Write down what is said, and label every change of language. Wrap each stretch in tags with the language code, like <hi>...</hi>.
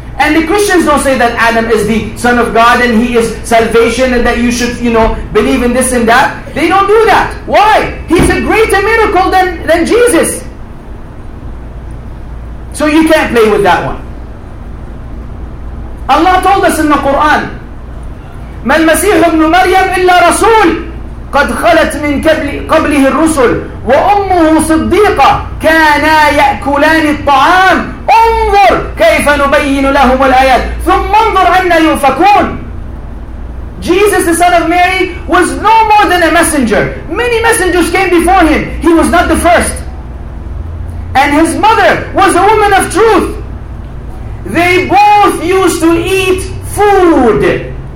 <en>And the Christians don't say that Adam is the Son of God and he is salvation and that you should, you know, believe in this and that. They don't do that. Why? He's a greater miracle than Jesus. So you can't play with that one. Allah told us in the Quran,</en> <ar>مَا الْمَسِيحُ ابْنُ مَرْيَمْ إِلَّا رَسُولٌ قَدْ خَلَتْ مِنْ قَبْلِهِ الرُّسُلُ وَأُمُّهُ صِدِّيقَةٌ كَانَا يَأْكُلَانِ الطَّعَامِ انظر كَيْفَ نُبَيِّنُ لَهُمُ الْآيَاتِ ثُمَّ انظر أَنَّ يُنْفَكُونَ.</ar> <en>Jesus, the son of Mary, was no more than a messenger. Many messengers came before him. He was not the first. And his mother was a woman of truth. They both used to eat food.</en>